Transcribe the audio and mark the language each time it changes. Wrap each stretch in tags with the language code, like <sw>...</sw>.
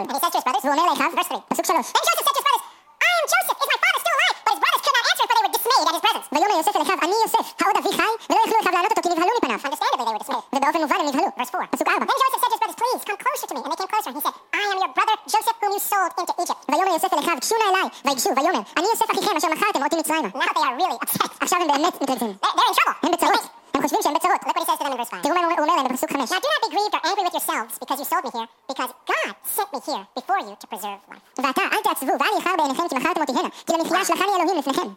<en>And he says to his brothers.</en> <he>ואומר לאחיו.</he> <en>Verse 3.</en> <he>פסוק 3.</he> <en>Then Joseph said to his brothers, I am Joseph. Is my father still alive? But his brothers could not answer, for they were dismayed at his presence.</en> <he>ויאמר יוסף אל אחיו, אני יוסף, העוד אבי חי, ולא יכלו אחיו לענות אותו, כי נבהלו מפניו.</he> <en>Understandably, they were dismayed.</en> <he>ובאופן מובן הם נבהלו.</he> <en>Verse 4.</en> <he>פסוק 4.</he> <en>Then Joseph said to his brothers, please, come closer to me. And they came closer. And he said, I am your brother Joseph, whom you sold into Egypt.</en> <he>ויאמר יוסף אל אחיו, קשו נא אליי, ויגשו, ויאמר, אני יוסף אחיכם, אשר מכרתם אותי מצרימה.</he> <en>Now they are really upset.</en> <he>עכשיו הם באמת מתרגזים.</he> <en>They're in trouble.</en> <he>הם בצרות. הם חושבים שהם בצרות.</he> <en>Look what he says to them in verse 5.</en> <he>תראו מה הוא אומר להם בפסוק 5.</he> <en>Now do not be grieved or angry with yourselves because you sold me here, because God sent me here before you to preserve life.</en> <he>ואתה, אל תעצבו, ואל יחר בעיניכם כי מחרתם אותי הנה, כי למחייה שלחני אלוהים לפניכם.</he>